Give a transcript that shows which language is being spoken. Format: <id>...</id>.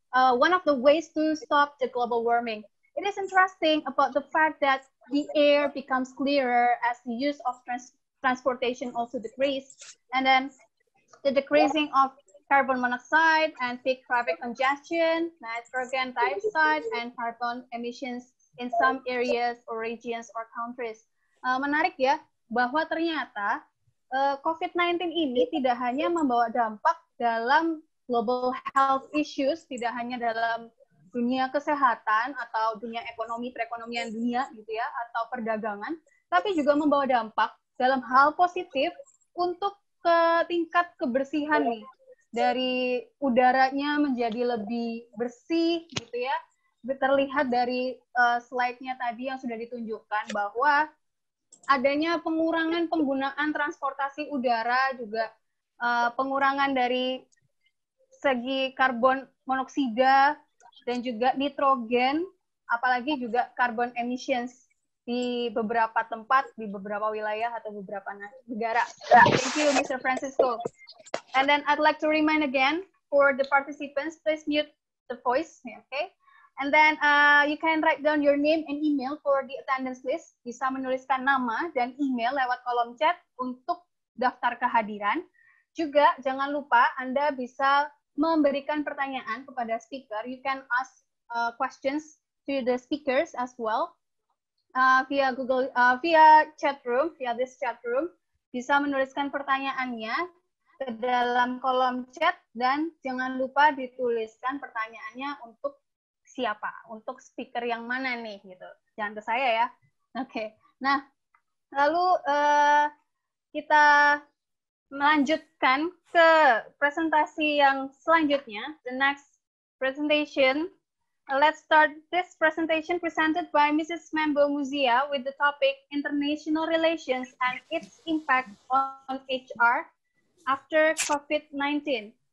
<en>one of the ways to stop the global warming. It is interesting about the fact that the air becomes clearer as the use of transportation also decrease, and then the decreasing of carbon monoxide and peak traffic congestion, nitrogen dioxide, and carbon emissions in some areas or regions or countries.</en> <id>Menarik ya, bahwa ternyata COVID-19 ini tidak hanya membawa dampak dalam</id> <en>global health issues,</en> <id>tidak hanya dalam dunia kesehatan atau dunia ekonomi, perekonomian dunia gitu ya, atau perdagangan, tapi juga membawa dampak dalam hal positif untuk ke tingkat kebersihan nih. Dari udaranya menjadi lebih bersih gitu ya. Terlihat dari slide-nya tadi yang sudah ditunjukkan bahwa adanya pengurangan penggunaan transportasi udara, juga pengurangan dari segi karbon monoksida dan juga nitrogen, apalagi juga carbon emissions di beberapa tempat, di beberapa wilayah atau beberapa negara.</id> <en>Thank you, Mr. Fransisco. And then I'd like to remind again for the participants, please mute the voice, okay? And then you can write down your name and email for the attendance list.</en> <id>Bisa menuliskan nama dan email lewat kolom chat untuk daftar kehadiran. Juga jangan lupa Anda bisa memberikan pertanyaan kepada speaker.</id> <en>You can ask questions to the speakers as well via Google, via chat room, via this chat room.</en> <id>Bisa menuliskan pertanyaannya ke dalam kolom chat, dan jangan lupa dituliskan pertanyaannya untuk siapa, untuk speaker yang mana nih gitu. Jangan ke saya ya. Oke. Nah, lalu kita melanjutkan ke presentasi yang selanjutnya,</id> <en>the next presentation. Let's start this presentation presented by Mrs. Maambo Muzeya with the topic International Relations and its impact on HR after COVID-19.</en>